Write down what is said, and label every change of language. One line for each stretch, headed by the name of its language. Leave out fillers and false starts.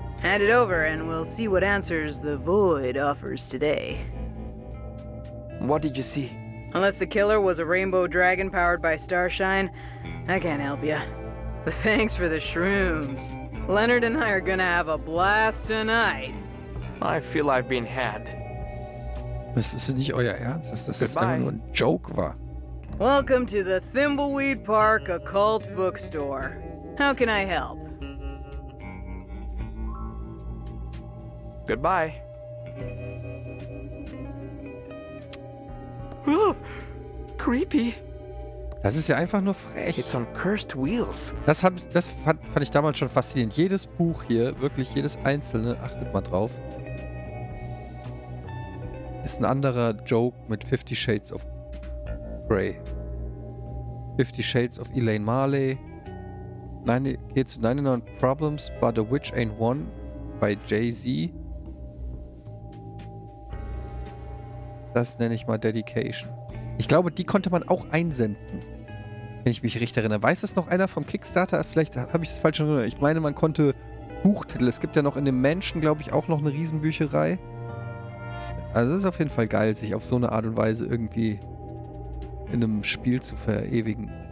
English: Hand it over and we'll see what answers the void offers today. What did you see? Unless the killer was a rainbow dragon powered by starshine, I can't help you. But thanks for the shrooms. Leonard and I are gonna have a blast tonight. I feel I've been had.
German: Das ist nicht euer Ernst, dass das jetzt einfach nur ein Joke war.
English: Welcome to the Thimbleweed Park Occult Bookstore. How can I help? Goodbye. Oh, creepy.
German: Das ist ja einfach nur frech.
English: It's on cursed wheels.
German: Das fand ich damals schon faszinierend. Jedes Buch hier, wirklich jedes einzelne, achtet mal drauf, ist ein anderer Joke mit 50 Shades of Grey.
English: 50 Shades of Elaine Marley. 99 Problems, but a witch ain't one by Jay-Z.
German: Das nenne ich mal Dedication. Ich glaube, die konnte man auch einsenden, wenn ich mich richtig erinnere. Weiß das noch einer vom Kickstarter? Vielleicht habe ich das falsch erinnert. Ich meine, man konnte Buchtitel. Es gibt ja noch in dem Mansion, glaube ich, auch noch eine Riesenbücherei. Also es ist auf jeden Fall geil, sich auf so eine Art und Weise irgendwie in einem Spiel zu verewigen.